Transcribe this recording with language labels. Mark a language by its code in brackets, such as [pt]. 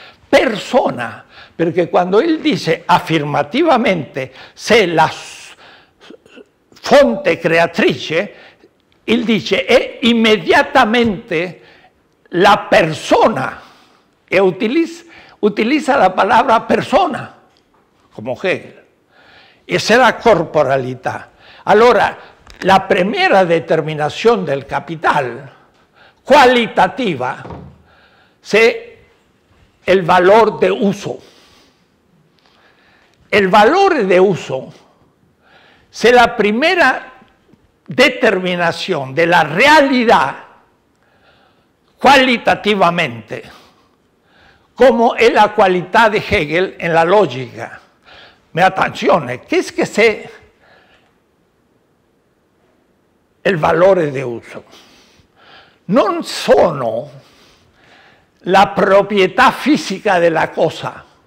[it] Persona, perché quando lui dice affermativamente se la fonte creatrice, il dice è immediatamente la persona, e utilizza la parola persona, come Hegel. [es] Esa es la corporalidad. Ahora, la primera determinación del capital, cualitativa, es el valor de uso. El valor de uso es la primera determinación de la realidad cualitativamente, como es la cualidad de Hegel en la lógica. [it] Ma attenzione, che è che c'è il valore di uso? Non sono la proprietà fisica della cosa.